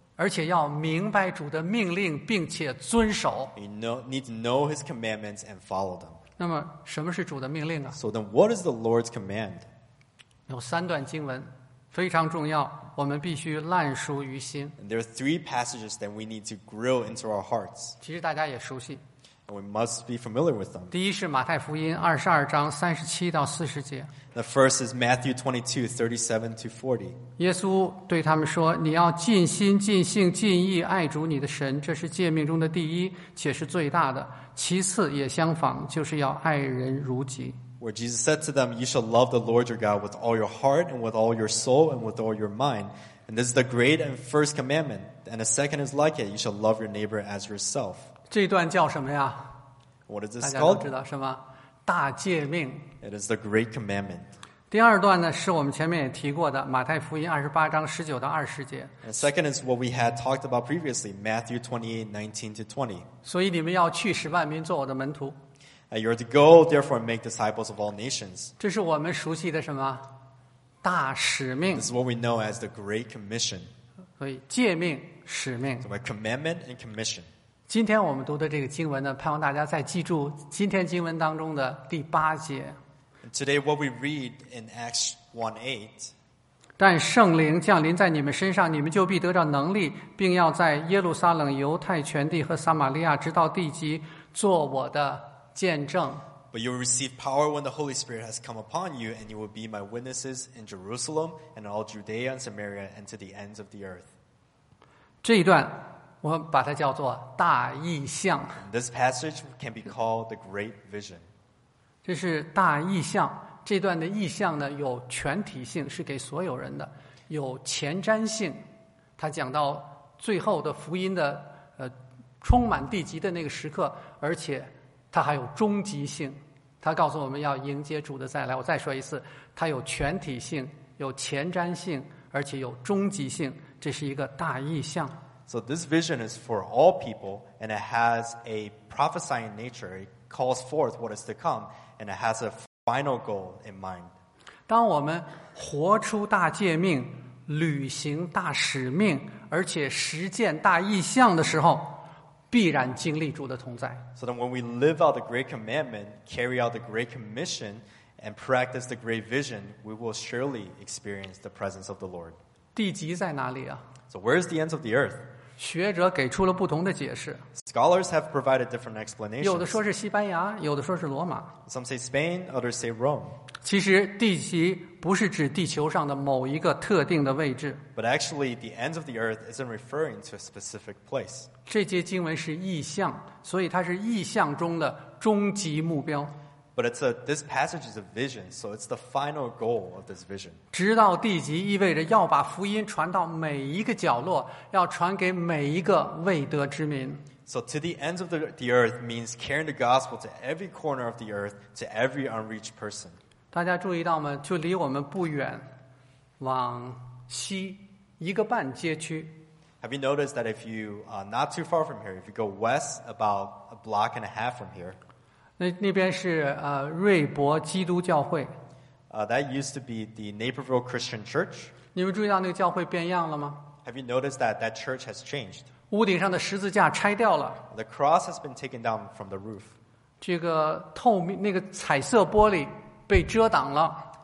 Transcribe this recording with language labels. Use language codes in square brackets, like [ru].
[zh] 而且要明白主的命令，并且遵守。 [en] You need to know his commandments and follow them. [zh] 那么什么是主的命令啊？ [en] So then what is the Lord's command? [zh] 有三段经文非常重要，我们必须烂熟于心。 [en] And there are three passages that we need to grill into our hearts. [zh] 其实大家也熟悉。 [en] And we must be familiar with them. [zh] 第一是马太福音二十二章三十七到四十节。 [en] The first is Matthew 22, 37 to 40. [zh] 耶稣对他们说，你要尽心、尽性、尽意爱主你的神，这是诫命中的第一，且是最大的。其次也相仿，就是要爱人如己。 [en] Where Jesus said to them, you shall love the Lord your God with all your heart and with all your soul and with all your mind. And this is the great and first commandment. And the second is like it, you shall love your neighbor as yourself. [zh] 这段叫什么呀？ [en] What is this called? [zh] 大家都知道什么？大诫命。 [en] It is the great commandment. [zh] 第二段呢，是我们前面也提过的马太福音28:19-20。 [en] And second is what we had talked about previously, Matthew 28:19-20. [zh] 所以你们要去使万民做我的门徒。 [en] You are to go, therefore, make disciples of all nations. [zh] 这是我们熟悉的什么？大使命。 [en] This is what we know as the Great Commission. [zh] 所以诫命、使命。 [en] So, commandment and commission. [zh] 今天我们读的这个经文呢，盼望大家再记住今天经文当中的第八节。 [en] Today, what we read in Acts 1:8. [zh] 但圣灵降临在你们身上，你们就必得着能力，并要在耶路撒冷、犹太全地和撒玛利亚直到地极，做我的见证。 [en] But you will receive power when the Holy Spirit has come upon you, and you will be my witnesses in Jerusalem and all Judea and Samaria and to the ends of the earth. [zh] 这一段我把它叫做大异象。 [en] This passage can be called the Great Vision. [zh] 这是大意象，这段的意象呢有全体性，是给所有人的，有前瞻性，他讲到最后的福音的充满地极的那个时刻，而且他还有终极性，他告诉我们要迎接主的再来。我再说一次，他有全体性，有前瞻性，而且有终极性，这是一个大意象。 [en] So this vision is for all people and it has a prophesying nature, it calls forth what is to comeAnd it has a final goal in mind. [zh] 当我们活出大诫命，履行大使命，而且实践大意象的时候，必然经历主的同在。 [en] So then when we live out the great commandment, carry out the great commission, and practice the great vision, we will surely experience the presence of the Lord. [zh] 地极在哪里啊？ [en] So where is the ends of the earth? [zh] 学者给出了不同的解释。 [en] Scholars have provided different explanations. [zh] 有的说是西班牙，有的说是罗马。 [en] Some say Spain, others say Rome. [zh] 其实地极不是指地球上的某一个特定的位置。 [en] But actually, the ends of the earth isn't referring to a specific place. [zh] 这节经文是意象，所以它是意象中的终极目标。 [en] But this passage is a vision, so it's the final goal of this vision. [zh] 直到地极意味着要把福音传到每一个角落，要传给每一个未得之民。 [en] So to the ends of the earth means carrying the gospel to every corner of the earth, to every unreached person. [zh] 大家注意到吗？就离我们不远，往西一个半街区。 [en] Have you noticed that if you are not too far from here, if you go west about a block and a half from here, [zh] 那边是瑞伯基督教会。 [en] That used to be the Naperville Christian Church. [zh] 你们注意到那个教会变样了吗？ [en] Have you noticed that church has changed? [zh] 屋顶上的十字架拆掉了。 [en] The cross has been taken down from the roof. [zh] 这个透明那个彩色玻璃被遮挡了。